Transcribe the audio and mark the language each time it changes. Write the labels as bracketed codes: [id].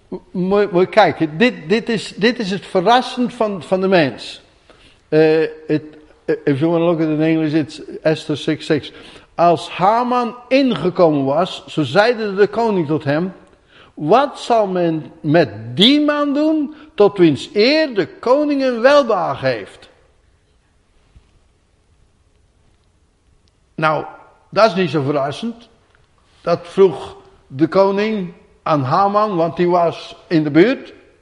[nl] Moet je kijken, dit is het verrassend van de mens. [en] If you want to look at it in English, it's Esther 6:6. [nl] Als Haman ingekomen was, zo zeide de koning tot hem: wat zal men met die man doen, tot wiens eer de koning een welbehaag heeft? Nou, dat is niet zo verrassend. Dat vroeg de koning aan Haman, want die was in de buurt.